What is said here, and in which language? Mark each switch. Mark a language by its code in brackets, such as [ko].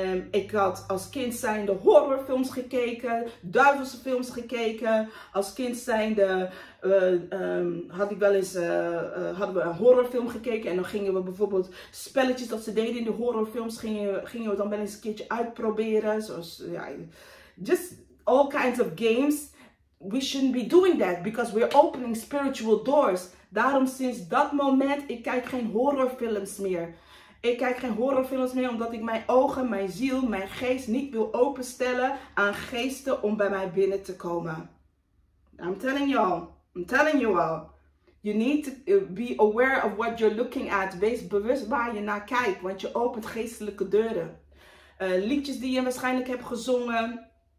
[nl] Ik had als kind zijnde horrorfilms gekeken, duivelse films gekeken. Als kind zijnde hadden we een horrorfilm gekeken. En dan gingen we bijvoorbeeld spelletjes dat ze deden in de horrorfilms, gingen we dan wel eens een keertje uitproberen. Zoals, ja, [en] just all kinds of games. We shouldn't be doing that, because we're opening spiritual doors. [nl] Daarom sinds dat moment, ik kijk geen horrorfilms meer. Ik kijk geen horrorfilms meer, omdat ik mijn ogen, mijn ziel, mijn geest niet wil openstellen aan geesten om bij mij binnen te komen. [en] I'm telling you all. You need to be aware of what you're looking at. [nl] Wees bewust waar je naar kijkt, want je opent geestelijke deuren. Liedjes die je waarschijnlijk hebt gezongen.